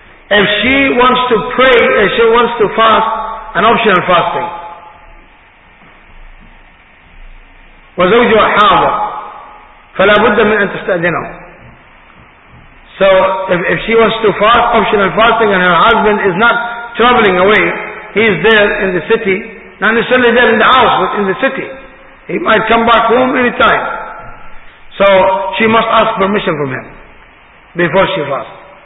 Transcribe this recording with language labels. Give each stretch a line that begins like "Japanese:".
English: If she wants to pray, if she wants to fast, an optional fasting.
Arabic: وزوجها حاضر فلا بد من أن تستأذنه.
English: So if she wants to fast, optional fasting, and her husband is not traveling away, he is there in the city, not necessarily there in the house, but in the city, he might come back home any time. So she must ask permission from him before she fasts.